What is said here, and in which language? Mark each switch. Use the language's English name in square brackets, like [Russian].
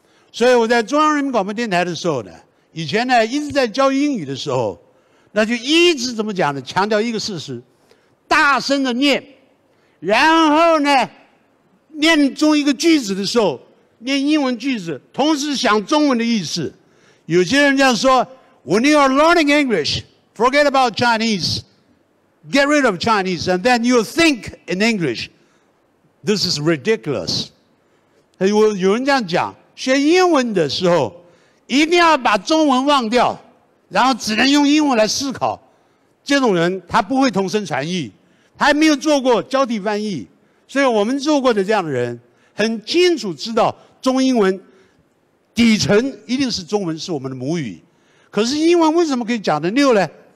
[Chinese] 所以我在中央人民广播电台的时候呢，以前呢一直在教英语的时候，那就一直怎么讲呢，强调一个事实，大声的念，然后呢念中一个句子的时候，念英文句子，同时想中文的意思。有些人这样说 [English] ：When you are learning English, forget about Chinese, get rid of Chinese, and then you think in English. This is ridiculous. [Chinese] 有人这样讲：学英文的时候，一定要把中文忘掉，然后只能用英文来思考。这种人他不会同声传译，他还没有做过交替翻译。所以我们做过的这样的人很清楚知道中英文底层一定是中文是我们的母语，可是英文为什么可以讲得溜呢？